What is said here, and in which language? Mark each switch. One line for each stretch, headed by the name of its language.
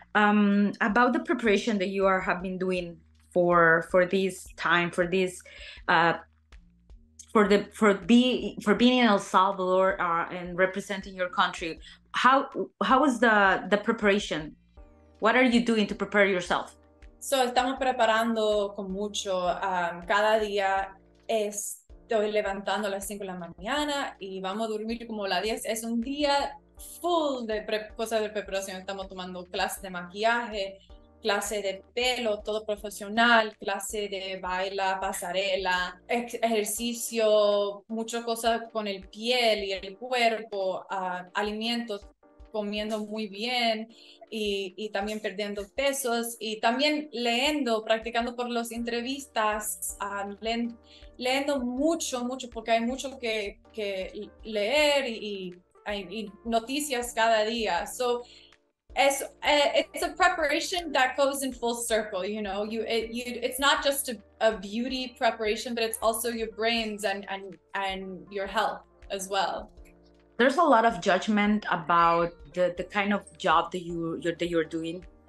English: About the preparation that you have been doing for being in El Salvador and representing your country, how was the preparation? What are you doing to prepare yourself?
Spanish: So estamos preparando con mucho, cada día estoy levantando a las 5 de la mañana y vamos a dormir como a las 10. Es un día full de cosas de preparación. Estamos tomando clases de maquillaje, clase de pelo, todo profesional, clase de baila, pasarela, ejercicio, muchas cosas con el piel y el cuerpo, alimentos, comiendo muy bien y también perdiendo pesos y también leyendo, practicando por las entrevistas, leyendo mucho, mucho, porque hay mucho que leer y noticias cada día.
English: So it's a preparation that goes in full circle, you know, it's not just a beauty preparation, but it's also your brains and your health as well. There's a lot of judgment about the kind of job that you're doing.